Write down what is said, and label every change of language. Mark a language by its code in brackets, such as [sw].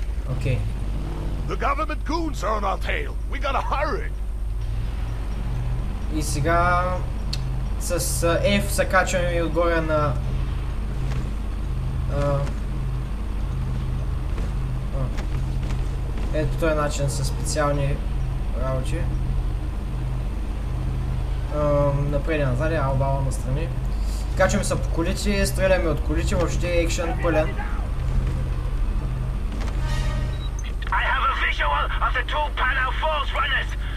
[en] Окей. The government goons are on our tail. We gotta hurry. [bg] И сега с F се качваме отгоре на ето той начин със специални работи. Напред и назад, албала настрани. Качваме се по колите, стреляме от колите, въобще е екшен пълен. [en] I have a visual of the two panel force runners.